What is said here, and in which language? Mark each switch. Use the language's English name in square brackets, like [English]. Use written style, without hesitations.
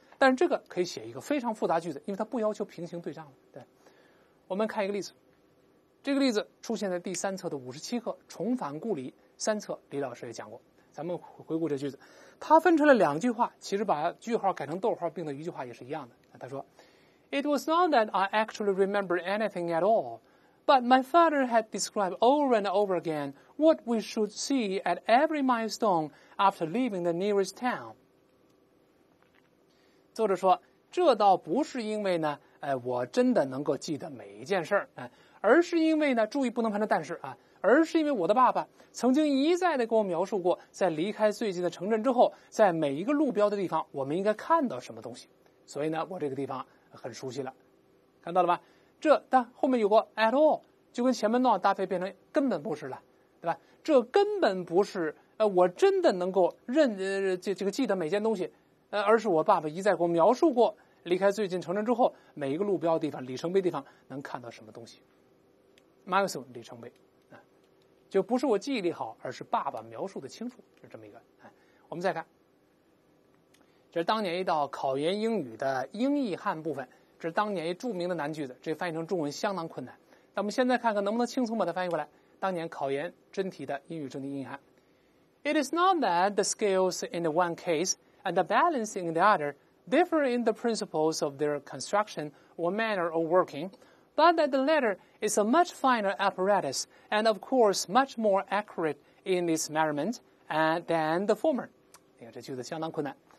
[Chinese] 但是这个可以写一个非常复杂句子，因为它不要求平行对仗了。对，我们看一个例子，这个例子出现在第三册的57课《重返故里》，三册李老师也讲过。咱们回顾这句子，它分成了两句话，其实把句号改成逗号并的一句话也是一样的。他说 [English] It was not that I actually remember anything at allBut my father had described over and over again what we should see at every milestone after leaving the nearest town. [Chinese] 作者说，这倒不是因为呢，我真的能够记得每一件事儿，而是因为呢，注意不能翻成但是啊，而是因为我的爸爸曾经一再的给我描述过，在离开最近的城镇之后，在每一个路标的地方，我们应该看到什么东西。所以呢，我这个地方很熟悉了，看到了吧？这但后面有个 at all， 就跟前面 not 搭配变成根本不是了，对吧？这根本不是我真的能够记得每件东西，而是我爸爸一再给我描述过离开最近城镇之后每一个路标地方里程碑地方能看到什么东西 milestone 里程碑，就不是我记忆力好，而是爸爸描述的清楚，就这么一个。我们再看，这是当年一道考研英语的英译汉部分，这是当年一著名的难句子，这翻译成中文相当困难。那我们现在看看能不能轻松把它翻译过来。当年考研真题的英语真题硬汉。 [English] It is not that the scales in the one case and the balance in the other differ in the principles of their construction or manner of working, but that the latter is a much finer apparatus and of course much more accurate in its measurement than the former. [Chinese] 这句子相当困难。